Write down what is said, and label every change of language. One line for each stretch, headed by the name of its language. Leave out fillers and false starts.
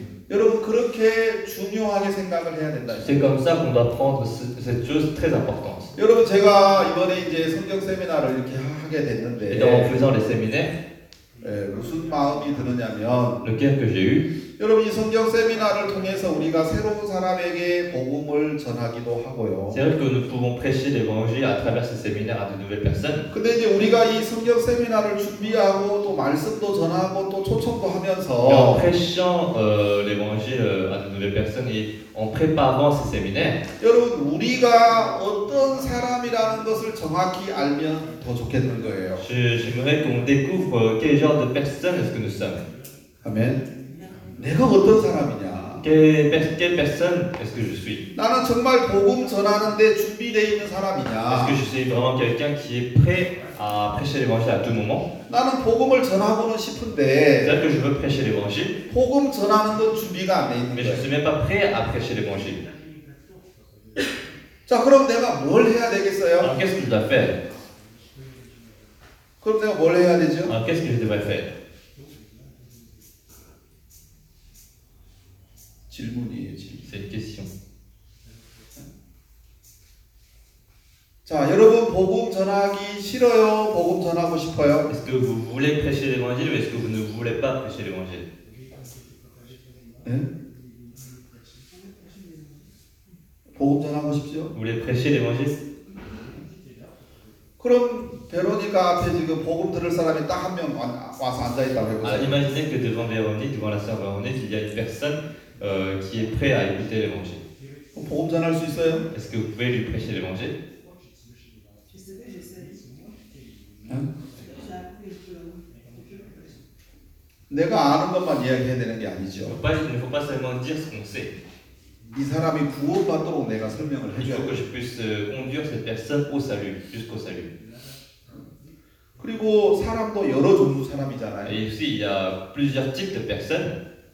Korean: 여러분 그렇게 중요하게 생각을 해야 된다.
French: C'est comme ça qu'on doit prendre cette chose très importante.
Korean: 여러분 제가 이번에 이제 성경 세미나를 이렇게 하게 됐는데.
French: Et donc, faisant les séminaires,
Korean: 예, 무슨 마음이 드느냐면
French: lequel que j'ai eu?
Korean: 여러분 이 성경 세미나를 통해서 우리가 새로운 사람에게 복음을 전하기도 하고요.
French: C'est vrai que nous pouvons prêcher l'évangile à travers ce séminaire à de nouvelles personnes.
Korean: 근데 이제 우리가 이 성경 세미나를 준비하고 또 말씀도 전하고 또 초청도 하면서
French: en prêchant l'évangile à de nouvelles personnes et en préparant ce séminaire.
Korean: 여러분 우리가 어떤 사람이라는 것을 정확히 알면 더 좋겠는 거예요.
French: J'aimerais qu'on découvre quel genre de personne est-ce que nous sommes.
Korean: 아멘. 내가 어떤 사람이냐?
French: Quelle personne est-ce que je suis?
Korean: 나는 정말 복음 전하는데 준비되어 있는 사람이냐?
French: Est-ce que je suis vraiment quelqu'un qui est prêt à prêcher l'évangile à tout moment?
Korean: 나는 복음을 전하고는 싶은데.
French: C'est-à-dire que je veux prêcher l'évangile?
Korean: 복음 전하는 건 준비가 안 돼 있는 거야.
French: Mais je suis même pas prêt à prêcher l'évangile.
Korean: 자, 그럼 내가 뭘 해야 되겠어요?
French: Alors, qu'est-ce que je dois faire?
Korean: 그럼 내가 뭘 해야 되죠?
French: Alors, qu'est-ce que je devrais faire?
Korean: 질문이에요, 질문.
French: C'est une question.
Korean: 자, 여러분 복음 전하기 싫어요? 복음 전하고 싶어요?
French: Est-ce que vous voulez prêcher l'évangile ou est-ce que vous ne voulez pas prêcher l'évangile?
Korean: 응? 복음 전하고 싶죠?
French: Vous voulez prêcher l'évangile?
Korean: 그럼 베로니카 앞에 지금 복음 들을 사람이 딱 한 명 와서 앉아 있다고 해 보세요.
French: Imaginez que devant Véronique, devant la sœur Véronique, il y a une personne qui est prêt à écouter l'évangile.
Korean: 그럼 복음 전할 수 있어요?
French: Est-ce que vous pouvez lui prêcher l'évangile? Je sais, j'essaie.
Korean: 내가 아는 것만 이야기해야 되는 게 아니죠.
French: Il ne faut pas seulement dire ce qu'on sait.
Korean: 이 사람이 구원받도록 내가 설명을 해줘야 돼.
French: Il faut que je puisse conduire cette personne au salut, jusqu'au salut.
Korean: 그리고 사람도 여러 종류 사람이잖아요.
French: Et ici, il y a plusieurs types de personnes.